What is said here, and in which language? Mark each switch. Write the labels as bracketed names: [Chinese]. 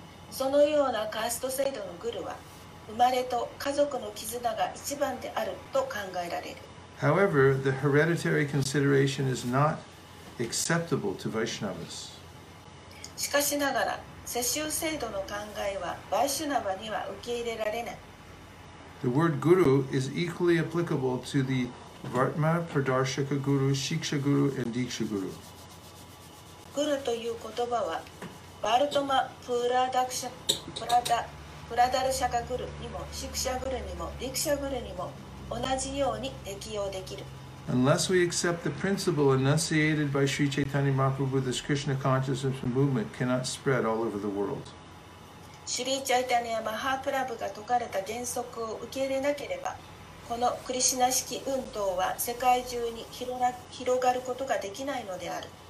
[Japanese] そのようなカースト制度のグルは生まれと家族の絆が一番であると考えられる。 [English] However, the hereditary consideration is not acceptable to Vaishnavas. [Japanese] しかしながら、世襲制度の考えはバイシュナバには受け入れられない。 [English] The word guru is equally applicable to the Vartma, Pradarshaka Guru, Shiksha Guru, and Diksha Guru. [Japanese] グルという言葉は、バルトマ、プラダルシャカグルにも、シクシャグルにも、ディクシャグルにも、同じように適用できる。 [English] Unless we accept the principle enunciated by Sri Chaitanya Mahaprabhu, this Krishna consciousness movement cannot spread all over the world. [Japanese] Sri Chaitanya Mahaprabhu が説かれた原則を受け入れなければ、このクリシナ式運動は世界中に広がることができないのである。